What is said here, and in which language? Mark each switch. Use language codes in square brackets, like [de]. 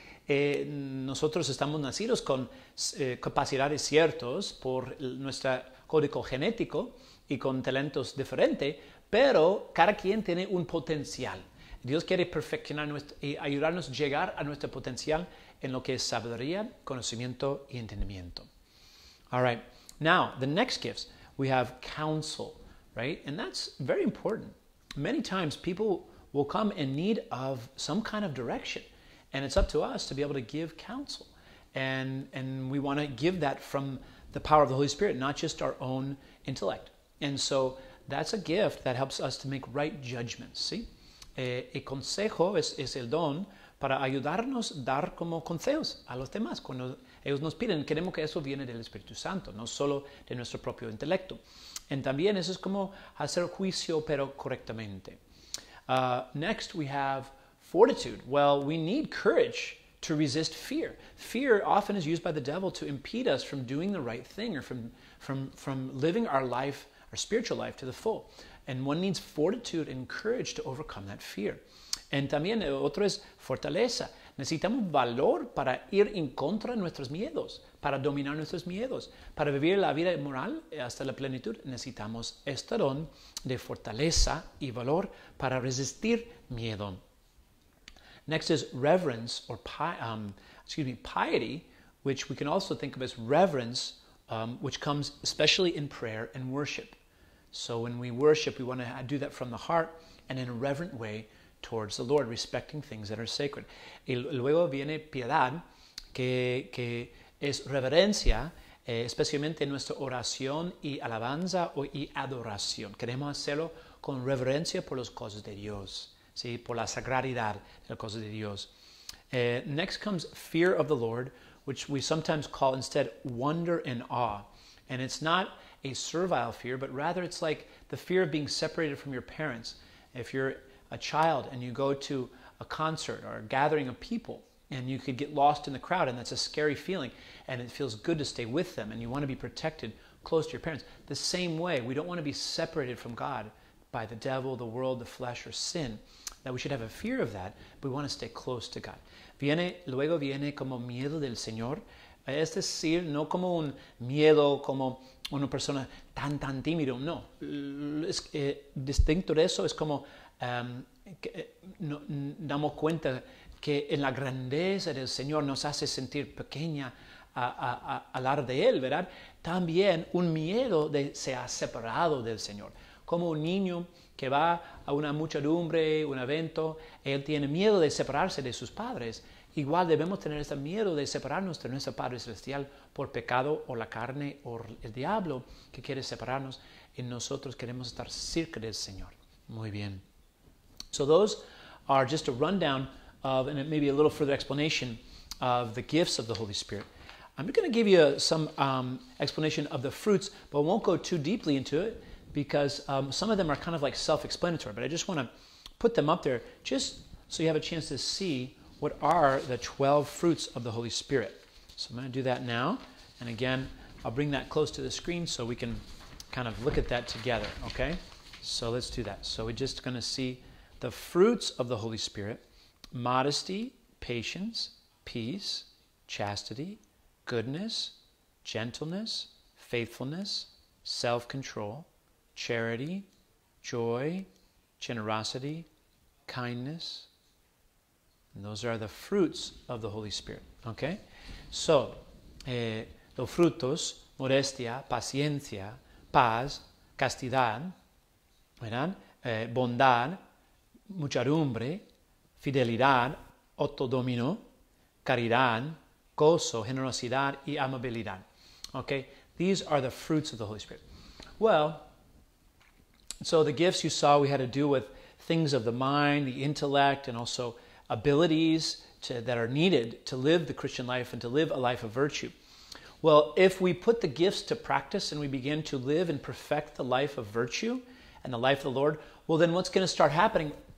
[es] Nosotros estamos nacidos con capacidades ciertas por nuestro código genético y con talentos diferentes, pero cada quien tiene un potencial. Dios quiere perfeccionar y ayudarnos a llegar a nuestro potencial en lo que es sabiduría, conocimiento y entendimiento. [en] All right, now the next gifts, we have counsel, right? And that's very important. Many times people will come in need of some kind of direction, and it's up to us to be able to give counsel. And we want to give that from the power of the Holy Spirit, not just our own intellect. And so that's a gift that helps us to make right judgments, see? [es] El consejo es el don para ayudarnos a dar como consejos a los demás. Cuando ellos nos piden, queremos que eso viene del Espíritu Santo, no solo de nuestro propio intelecto. Y también eso es como hacer juicio, pero correctamente. [en] Next, we have fortitude. Well, we need courage to resist fear. Fear often is used by the devil to impede us from doing the right thing or from living our life, our spiritual life, to the full. And one needs fortitude and courage to overcome that fear. [es] And también otro es fortaleza. Necesitamos valor para ir en contra de nuestros miedos, para dominar nuestros miedos. Para vivir la vida moral hasta la plenitud, necesitamos este don de fortaleza y valor para resistir miedo. [en] Next is reverence, or piety, which we can also think of as reverence, which comes especially in prayer and worship. So when we worship, we want to do that from the heart and in a reverent way towards the Lord, respecting things that are sacred. [es] Y luego viene piedad, que es reverencia, especialmente en nuestra oración y alabanza y adoración. Queremos hacerlo con reverencia por las cosas de Dios, ¿sí? Por la sagradidad de las cosas de Dios. [en] Next comes fear of the Lord, which we sometimes call instead wonder and awe. And it's not a servile fear, but rather it's like the fear of being separated from your parents. If you're a child and you go to a concert or a gathering of people and you could get lost in the crowd, and that's a scary feeling, and it feels good to stay with them and you want to be protected close to your parents. The same way, we don't want to be separated from God by the devil, the world, the flesh, or sin. That we should have a fear of that, but we want to stay close to God. [es] Luego viene como miedo del Señor. Es decir, no como un miedo como una persona tan tímido, no. Es, distinto de eso es como que, no, damos cuenta que en la grandeza del Señor nos hace sentir pequeña a hablar de Él, ¿verdad? También un miedo de ser separado del Señor. Como un niño que va a una muchedumbre, un evento, él tiene miedo de separarse de sus padres. Igual debemos tener este miedo de separarnos de nuestro Padre Celestial por pecado o la carne o el diablo que quiere separarnos, y nosotros queremos estar cerca del Señor. Muy bien. [en] So those are just a rundown of, and maybe a little further explanation of the gifts of the Holy Spirit. I'm going to give you some explanation of the fruits, but I won't go too deeply into it because some of them are kind of like self-explanatory, but I just want to put them up there just so you have a chance to see what are the 12 fruits of the Holy Spirit. So I'm going to do that now. And again, I'll bring that close to the screen so we can kind of look at that together, okay? So let's do that. So we're just going to see the fruits of the Holy Spirit: modesty, patience, peace, chastity, goodness, gentleness, faithfulness, self-control, charity, joy, generosity, kindness. And those are the fruits of the Holy Spirit, okay? [es] So, los frutos: modestia, paciencia, paz, castidad, ¿verdad? Bondad, muchedumbre, fidelidad, autodominio, caridad, gozo, generosidad, y amabilidad. [en] Okay, these are the fruits of the Holy Spirit. Well, so the gifts you saw, we had to do with things of the mind, the intellect, and also abilities to, that are needed to live the Christian life and to live a life of virtue. Well, if we put the gifts to practice and we begin to live and perfect the life of virtue and the life of the Lord, well, then what's going to start happening?